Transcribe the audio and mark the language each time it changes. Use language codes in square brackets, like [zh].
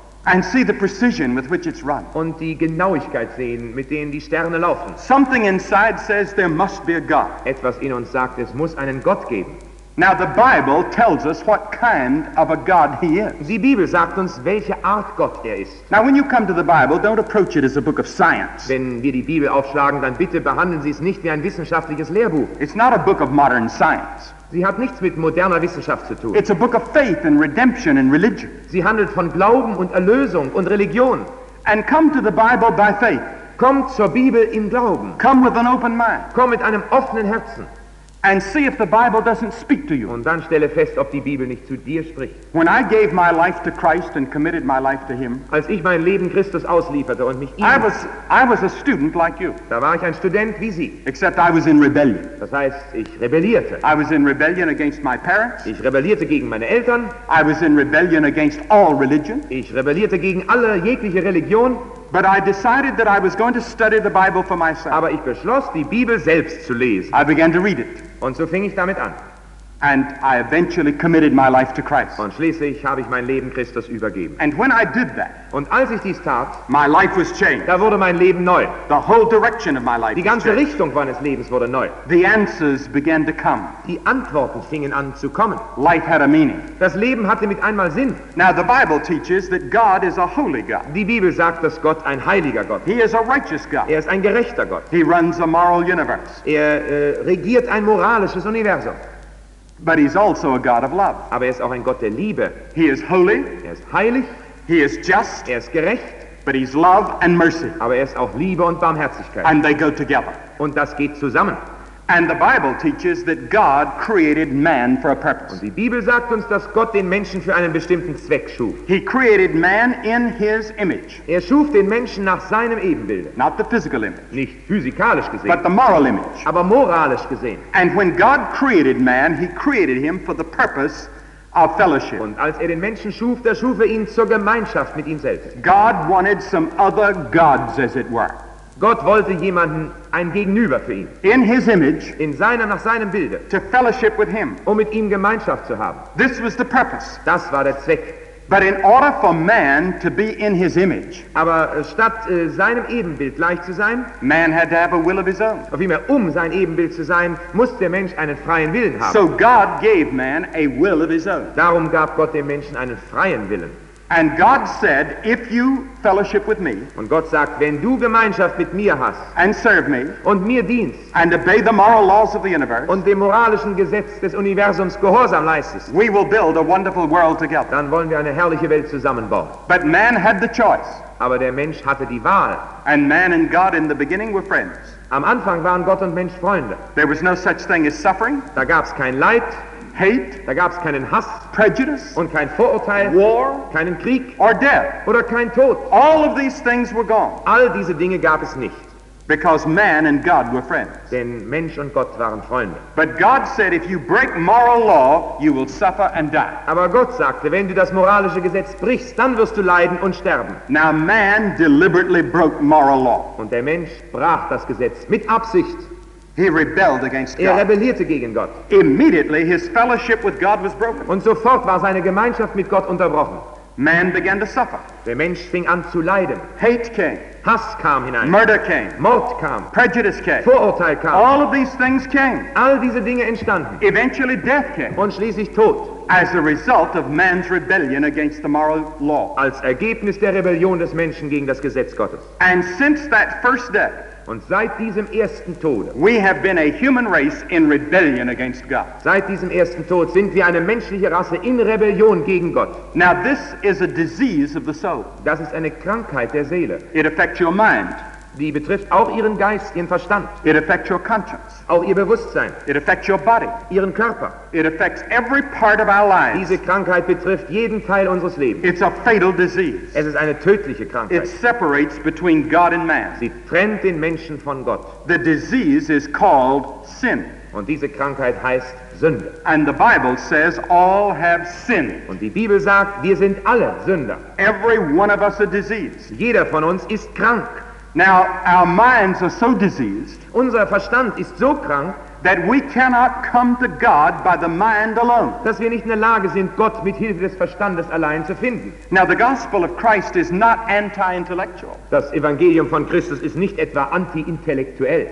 [en] and see the precision with which it's run, [de] und die Genauigkeit sehen, mit denen die Sterne laufen, [en] something inside says there must be a God. [de] Etwas in uns sagt, es muss einen Gott geben. [en] Now the Bible tells us what kind of a God he is. [de] Die Bibel sagt uns, welche Art Gott er ist. [en] Now when you come to the Bible, don't approach it as a book of science. [de] Wenn wir die Bibel aufschlagen, dann bitte behandeln Sie es nicht wie ein wissenschaftliches Lehrbuch. [en] It's not a book of modern science. [de] Sie hat nichts mit moderner Wissenschaft zu tun. [en] It's a book of faith and redemption and religion. [de] Sie handelt von Glauben und Erlösung und Religion. [en] And come to the Bible by faith. [de] Komm zur Bibel im Glauben. [en] Come with an open mind. [de] Komm mit einem offenen Herzen. [en] And see if the Bible doesn't speak to you. [de] Und dann stelle fest, ob die Bibel nicht zu dir spricht. [en] When I gave my life to Christ and committed my life to him, [de] als ich mein Leben Christus auslieferte und mich ihm, [en] I was a student like you. [de] Da war ich ein Student wie Sie. [en] Except I was in rebellion. [de] Das heißt, ich rebellierte. [en] I was in rebellion against my parents. [de] Ich rebellierte gegen meine Eltern. [en] I was in rebellion against all religion. [de] Ich rebellierte gegen alle jegliche Religion. [en] But I decided that I was going to study the Bible for myself. [de] Aber ich beschloss, die Bibel selbst zu lesen. [en] I began to read it. [de] Und so fing ich damit an. [en] And I eventually committed my life to Christ. [de] Und schließlich habe ich mein Leben Christus übergeben. [en] And when I did that, [de] und als ich dies tat, [en] my life was changed. [de] Da wurde mein Leben neu. [en] The whole direction of my life. [de] Die ganze Richtung meines Lebens wurde neu. [en] The answers began to come. [de] Die Antworten fingen an zu kommen. [en] Life had a meaning. [de] Das Leben hatte mit einmal Sinn. [en] Now the Bible teaches that God is a holy God. [de] Die Bibel sagt, dass Gott ein heiliger Gott ist. [en] He is a righteous God. [de] Er ist ein gerechter Gott. [en] He runs a moral universe. [de] Er regiert ein moralisches Universum. [en] But he's also a God of love. [de] Aber er ist auch ein Gott der Liebe. [en] He is holy. [de] Er ist heilig. [en] He is just. [de] Er ist gerecht. [en] But he's love and mercy. [de] Aber er ist auch Liebe und Barmherzigkeit. [en] And they go together. [de] Und das geht zusammen. [en] And the Bible teaches that God created man for a purpose. [de] Und die Bibel sagt uns, dass Gott den Menschen für einen bestimmten Zweck schuf. [en] He created man in his image. [de] Er schuf den Menschen nach seinem Ebenbild. [en] Not the physical image. [de] Nicht physikalisch gesehen. [en] But the moral image. [de] Aber moralisch gesehen. [en] And when God created man, he created him for the purpose of fellowship. [de] Und als er den Menschen schuf, da schuf er ihn zur Gemeinschaft mit ihm selbst. [en] God wanted some other gods, as it were. [de] Gott wollte jemanden, ein Gegenüber für ihn. [en] In his image. [de] In seiner, nach seinem Bilde. [en] To fellowship with him. [de] Um mit ihm Gemeinschaft zu haben. [en] This was the purpose. [de] Das war der Zweck. [en] But in order for man to be in his image. [de] Aber statt seinem Ebenbild gleich zu sein. [en] Man had to have a will of his own. [de] Auf vielmehr, um sein Ebenbild zu sein, muss der Mensch einen freien Willen haben. [en] So God gave man a will of his own. [de] Darum gab Gott dem Menschen einen freien Willen. [en] And God said, if you fellowship with me, [de] und Gott sagt, wenn du Gemeinschaft mit mir hast, [en] and serve me, [de] und mir dienst, [en] and obey the moral laws of the universe, [de] und dem moralischen Gesetz des Universums Gehorsam leistest, [en] we will build a wonderful world together. [de] Dann wollen wir eine herrliche Welt zusammenbauen. [en] But man had the choice. [de] Aber der Mensch hatte die Wahl. [en] And man and God in the beginning were friends. [de] Am Anfang waren Gott und Mensch Freunde. [en] There was no such thing as suffering. [de] Da gab es kein Leid. [en] Hate, [de] da gab's keinen Hass, [en] prejudice, [de] und kein Vorurteil, [en] war, [de] keinen Krieg, [en] or death, [de] oder kein Tod. [en] All of these things were gone. [de] All diese Dinge gab es nicht. [en] Because man and God were friends. [de] Denn Mensch und Gott waren Freunde. [en] But God said, if you break moral law, you will suffer and die. [de] Aber Gott sagte, wenn du das moralische Gesetz brichst, dann wirst du leiden und sterben. [en] Now man deliberately broke moral law. [de] Und der Mensch brach das Gesetz mit Absicht. [en] He rebelled against God. [de] Er rebellierte gegen Gott. [en] Immediately his fellowship with God was broken. [de] Und sofort war seine Gemeinschaft mit Gott unterbrochen. [en] Man began to suffer. [de] Der Mensch fing an zu leiden. [en] Hate came. [de] Hass kam hinein. [en] Murder came. [de] Mord kam. [en] Prejudice came. [de] Vorurteil kam. [en] All of these things came. [de] All diese Dinge entstanden. [en] Eventually death came. [de] Und schließlich Tod. [en] As a result of man's rebellion against the moral law. [de] Als Ergebnis der Rebellion des Menschen gegen das Gesetz Gottes. [en] And since that first death, [de] und seit diesem ersten Tod, [en] we have been a human race in rebellion against God. [de] Seit diesem ersten Tod sind wir eine menschliche Rasse in Rebellion gegen Gott. [en] Now this is a disease of the soul. [de] Das ist eine Krankheit der Seele. [en] It affects your mind. [de] Die betrifft auch ihren Geist, ihren Verstand. [en] It affects your conscience. [de] Auch ihr Bewusstsein. [en] It affects your body. [de] Ihren Körper. [en] It affects every part of our lives. [de] Diese Krankheit betrifft jeden Teil unseres Lebens. [en] It's a fatal disease. [de] Es ist eine tödliche Krankheit. [en] It separates between God and man. [de] Sie trennt den Menschen von Gott. [en] The disease is called sin. [de] Und diese Krankheit heißt Sünde. [en] And the Bible says all have sinned. [de] Und die Bibel sagt, wir sind alle Sünder. [en] Every one of us a disease. [de] Jeder von uns ist krank. [en] Now our minds are so diseased. [de] Unser Verstand ist so krank, [en] that we cannot come to God by the mind alone. [de] Dass wir nicht in der Lage sind, Gott mit Hilfe des Verstandes allein zu finden. [en] Now the gospel of Christ is not anti-intellectual. [de] Das Evangelium von Christus ist nicht etwa anti-intellektuell.